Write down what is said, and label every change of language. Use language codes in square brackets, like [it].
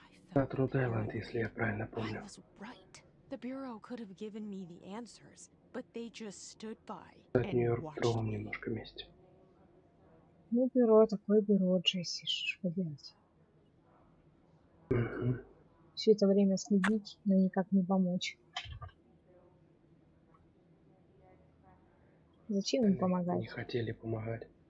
[ru] Штат Род-Айленд, если я правильно помню. [en] The Bureau could have given me the answers, but they just stood by and watched me. [ru] Немножко вместе. Ну, бюро, такое бюро, Джесси, что делать? Все это время следить, но никак не помочь. Зачем им помогать? Не хотели помогать.